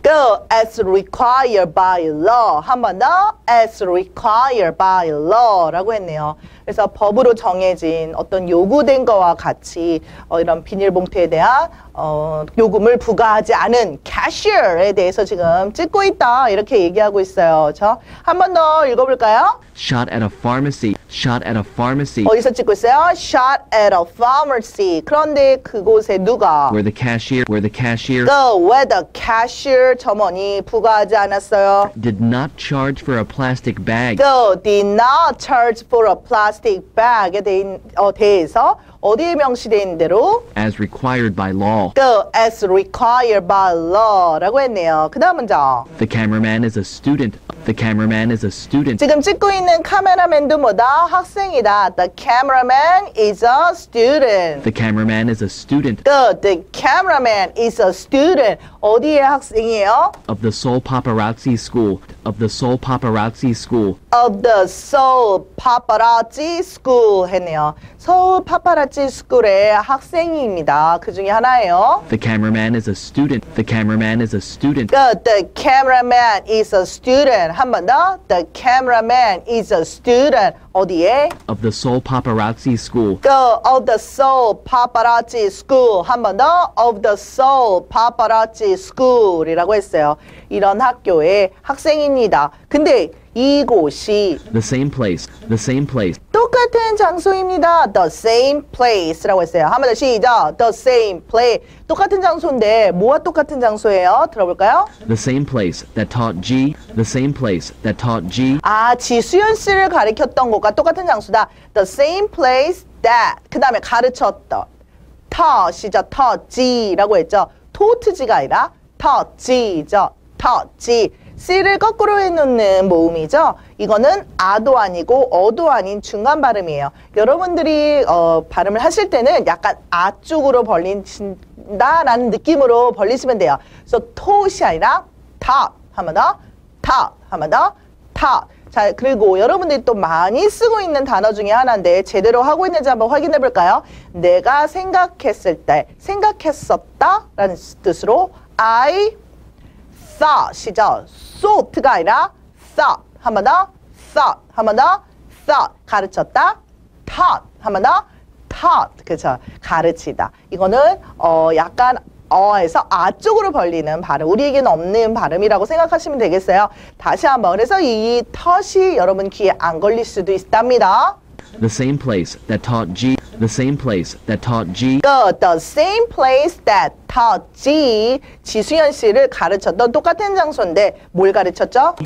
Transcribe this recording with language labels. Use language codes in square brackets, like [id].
[en] go as required by law [ko] 한 번 더 [en] as required by law [ko] 라고 했네요 그래서 법으로 정해진 어떤 요구된 것과 같이 이런 비닐봉투에 대한 요금을 부과하지 않은 cashier에 대해서 지금 찍고 있다 이렇게 얘기하고 있어요 그렇죠? 한 번 더 읽어볼까요? [en] Shot at a pharmacy Shot at a pharmacy [ko] 어디서 찍고 있어요? [en] Shot at a pharmacy [ko] 그런데 그곳에 누가? [en] Where the cashier Go where the cashier [ko] 점원이 부과하지 않았어요 [en] Did not charge for a plastic bag Go did not charge for a plastic bag에 대해서 [ko] 어디에 명시된 대로? [en] As required by law. Go as required by law [ko] 라고 했네요. 그 다음 문제. [en] The cameraman is a student. The cameraman is a student. [ko] 지금 찍고 있는 카메라맨도 뭐다? 학생이다. [en] The cameraman is a student. The cameraman is a student. Good. The cameraman is a student. [ko] 어디에 학생이에요? [en] Of the Seoul Paparazzi School. Of the Seoul Paparazzi School. Of the Seoul Paparazzi School 했네요. [ko] 서울 파파라치 스쿨의 학생입니다. 그 중에 하나예요. [en] The cameraman is a student. The cameraman is a student. Good. The cameraman is a student. [ko] 한 번 더. [en] The cameraman is a student. [ko] 어디에? [en] Of the Seoul Paparazzi School. Go of the Seoul Paparazzi School. [ko] 한 번 더. [en] Of the Seoul Paparazzi School이라고 했어요. [ko] 이런 학교의 학생입니다. 근데 이곳이 [en] The same place. The same place. [ko] 똑같은 장소입니다. [en] The same place라고 했어요. [ko] 한 번 더 시작. [en] The same place. [ko] 똑같은 장소인데 뭐와 똑같은 장소예요? 들어볼까요? [en] The same place that taught G. The same place that taught G. [ko] 아, 지수연 씨를 가르쳤던 곳과 똑같은 장소다. [en] The same place that. [ko] 그 다음에 가르쳤던. [en] Taught이죠. Taught G라고 했죠. Taught G가 아니라 Taught G죠. Taught G. [ko] C를 거꾸로 해놓는 모음이죠. 이거는 아도 아니고 어도 아닌 중간 발음이에요. 여러분들이 발음을 하실 때는 약간 아 쪽으로 벌린다라는 느낌으로 벌리시면 돼요. 그래서 토시 아니라 탑 한 번 더 탑 한 번 더 탑 자 그리고 여러분들이 또 많이 쓰고 있는 단어 중에 하나인데 제대로 하고 있는지 한번 확인해 볼까요? 내가 생각했을 때 생각했었다 라는 뜻으로 [en] I thought이죠. [ko] thought가 아니라 thought 한 번 더 thought 한 번 더 thought 가르쳤다 taught 한 번 더 taught 그렇죠 가르치다 이거는 약간 어에서 아 쪽으로 벌리는 발음 우리에게는 없는 발음이라고 생각하시면 되겠어요 다시 한번 그래서 이 taught이 여러분 귀에 안 걸릴 수도 있답니다 [en] The same place that taught G The same place that taught G Good. The same place that taught G [ko] 지수연 씨를 가르쳤던 똑같은 장소인데 뭘 가르쳤죠?